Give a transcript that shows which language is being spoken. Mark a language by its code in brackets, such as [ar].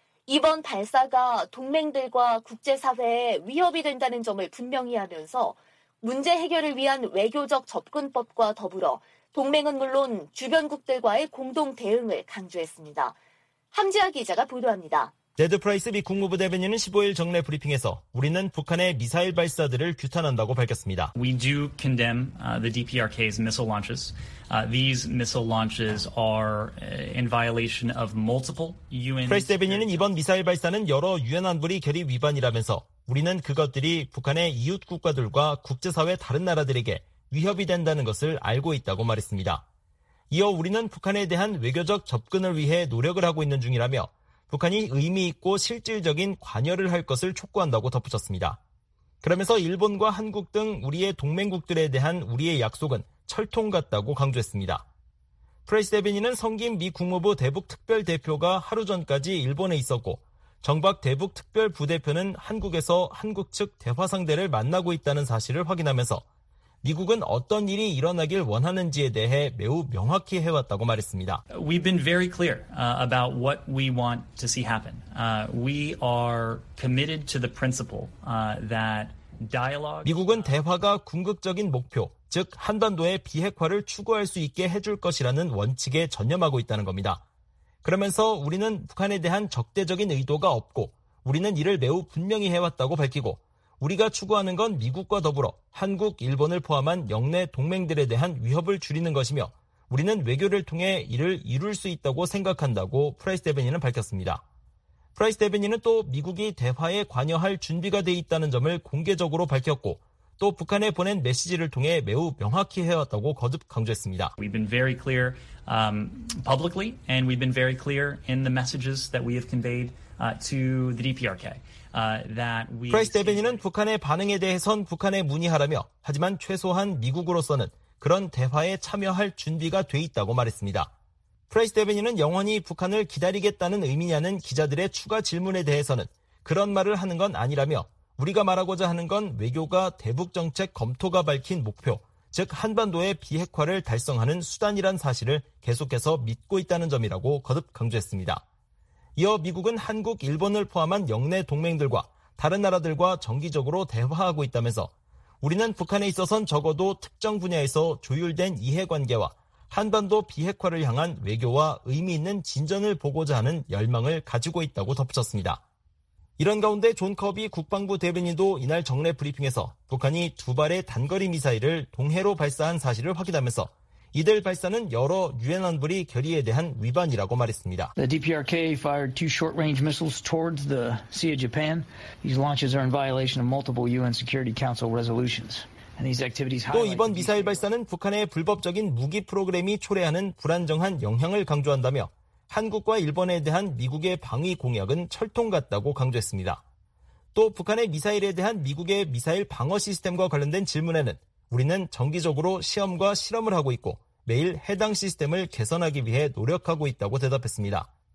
[ko] 이번 발사가 동맹들과 국제사회에 위협이 된다는 점을 분명히 하면서 문제 해결을 위한 외교적 접근법과 더불어 동맹은 물론 주변국들과의 공동 대응을 강조했습니다. 함지아 기자가 보도합니다. 데드 프라이스 미 국무부 대변인은 15일 정례 브리핑에서 우리는 북한의 미사일 발사들을 규탄한다고 밝혔습니다. [en] We do condemn the DPRK's missile launches. These missile launches are in violation of multiple UN. [ko] 프라이스 대변인은 이번 미사일 발사는 여러 유엔 안보리 결의 위반이라면서 우리는 그것들이 북한의 이웃 국가들과 국제사회 다른 나라들에게 위협이 된다는 것을 알고 있다고 말했습니다. 이어 우리는 북한에 대한 외교적 접근을 위해 노력을 하고 있는 중이라며 북한이 의미 있고 실질적인 관여를 할 것을 촉구한다고 덧붙였습니다. 그러면서 일본과 한국 등 우리의 동맹국들에 대한 우리의 약속은 철통 같다고 강조했습니다. 프레이스 대변인은 성김 미 국무부 대북특별대표가 하루 전까지 일본에 있었고 정박 대북특별부대표는 한국에서 한국 측 대화상대를 만나고 있다는 사실을 확인하면서 미국은 어떤 일이 일어나길 원하는지에 대해 매우 명확히 해왔다고 말했습니다. [en] We've been very clear about what we want to see happen. We are committed to the principle that dialogue. [ko] 미국은 대화가 궁극적인 목표, 즉 한반도의 비핵화를 추구할 수 있게 해줄 것이라는 원칙에 전념하고 있다는 겁니다. 그러면서 우리는 북한에 대한 적대적인 의도가 없고 우리는 이를 매우 분명히 해왔다고 밝히고 우리가 추구하는 건 미국과 더불어 한국, 일본을 포함한 영내 동맹들에 대한 위협을 줄이는 것이며 우리는 외교를 통해 이를 이룰 수 있다고 생각한다고 프라이스 대변인은 밝혔습니다. 프라이스 대변인은 또 미국이 대화에 관여할 준비가 돼 있다는 점을 공개적으로 밝혔고 또 북한에 보낸 메시지를 통해 매우 명확히 해왔다고 거듭 강조했습니다. [en] We've been very clear publicly and we've been very clear in the messages that we have conveyed to the DPRK. [ko] 프라이스 대변인은 북한의 반응에 대해선 북한에 문의하라며 하지만 최소한 미국으로서는 그런 대화에 참여할 준비가 돼 있다고 말했습니다. 프라이스 대변인은 영원히 북한을 기다리겠다는 의미냐는 기자들의 추가 질문에 대해서는 그런 말을 하는 건 아니라며 우리가 말하고자 하는 건 외교가 대북정책 검토가 밝힌 목표, 즉 한반도의 비핵화를 달성하는 수단이란 사실을 계속해서 믿고 있다는 점이라고 거듭 강조했습니다. 이어 미국은 한국, 일본을 포함한 영내 동맹들과 다른 나라들과 정기적으로 대화하고 있다면서 우리는 북한에 있어선 적어도 특정 분야에서 조율된 이해관계와 한반도 비핵화를 향한 외교와 의미 있는 진전을 보고자 하는 열망을 가지고 있다고 덧붙였습니다. 이런 가운데 존 커비 국방부 대변인도 이날 정례 브리핑에서 북한이 두 발의 단거리 미사일을 동해로 발사한 사실을 확인하면서 이들 발사는 여러 유엔 안보리 결의에 대한 위반이라고 말했습니다. [en] The DPRK fired two short-range missiles towards the Sea of Japan. These launches are in violation of multiple UN Security Council resolutions. And these activities. [ko] 또 이번 미사일 발사는 북한의 불법적인 무기 프로그램이 초래하는 불안정한 영향을 강조한다며 한국과 일본에 대한 미국의 방위 공약은 철통 같다고 강조했습니다. 또 북한의 미사일에 대한 미국의 미사일 방어 시스템과 관련된 질문에는 우리는 정기적으로 시험과 실험을 하고 있고 매일 해당 시스템을 개선하기 위해 노력하고 있다고 대답했습니다.